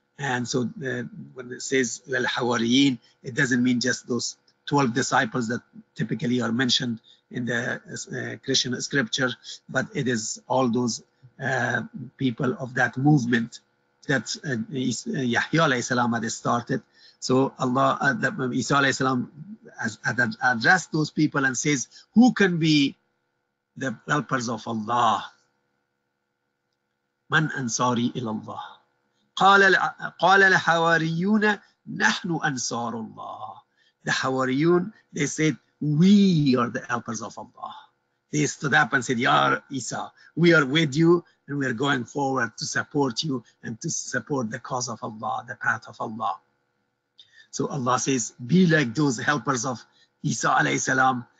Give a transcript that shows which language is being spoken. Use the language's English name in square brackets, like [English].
[English] And so when it says al-hawariyin, it doesn't mean just those 12 disciples that typically are mentioned in the Christian scripture, but it is all those people of that movement that Yahya alayhi salam had started. So Allah, Isa alayhi salam, had addressed those people and says, who can be the helpers of Allah? [Arabic] Man ansari ilallah. قال الحواريون نحن أنصار الله. [English] The Hawariyun, they said, we are the helpers of Allah. They stood up and said, Ya Isa, we are with you and we are going forward to support you and to support the cause of Allah, the path of Allah. So Allah says, be like those helpers of Isa alayhi salam.